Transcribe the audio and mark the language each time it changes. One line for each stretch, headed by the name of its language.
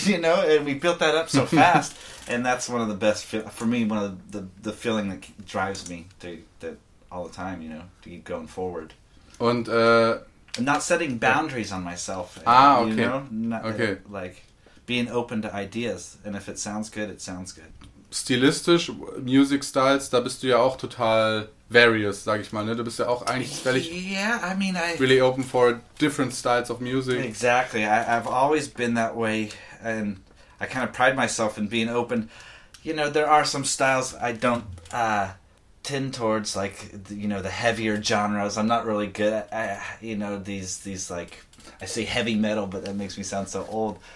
English: You know, and we built that up so fast. And that's one of the best, for me, one of the feeling that drives me to all the time, you know, to keep going forward. And not setting boundaries on myself. Ah, okay. You know? Okay. Like, being open to ideas, and if it sounds good, it sounds good.
German: Stilistisch,
English: Music Styles,
German: da bist du ja auch total various, sag ich mal, ne? Du bist ja auch eigentlich völlig,
English: yeah, I mean, really open for different styles of music. Exactly, I've always been that way and I kind of pride myself in being open. You know, there are some styles I don't tend towards, like, you know, the heavier genres. I'm not really good at, you know, these like, I say heavy metal, but that makes me sound so old.